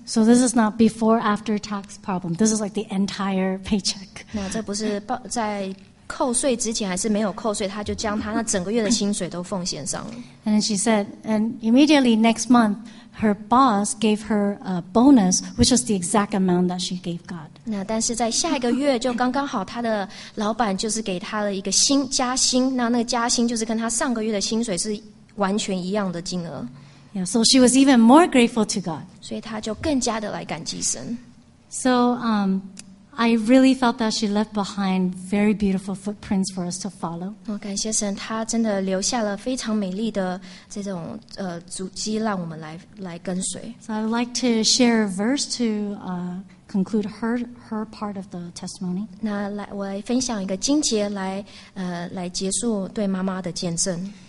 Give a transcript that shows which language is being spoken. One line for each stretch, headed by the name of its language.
English: So this is not before after tax problem. This is like the entire paycheck.
Chinese: 那这不是在扣税之前还是没有扣税，她就将她那整个月的薪水都奉献上了。
English: And she said, and immediately next month, her boss gave her a bonus, which was the exact amount that she gave God.
Chinese: 那但是在下一个月就刚刚好，她的老板就是给她了一个新加薪，那个加薪就是跟她上个月的薪水是。完全一样的金额。
English: Yeah, so she was even more grateful to God.
Chinese: 所以她就更加的来感激神。
English: So, I really felt that she left behind very beautiful footprints for us to follow.
Chinese: 我感谢神，她真的留下了非常美丽的这种足迹，让我们来跟随。
English: So I'd like to share a verse to conclude her part of the testimony.
Chinese: 那来，我来分享一个经节来结束对妈妈的见证。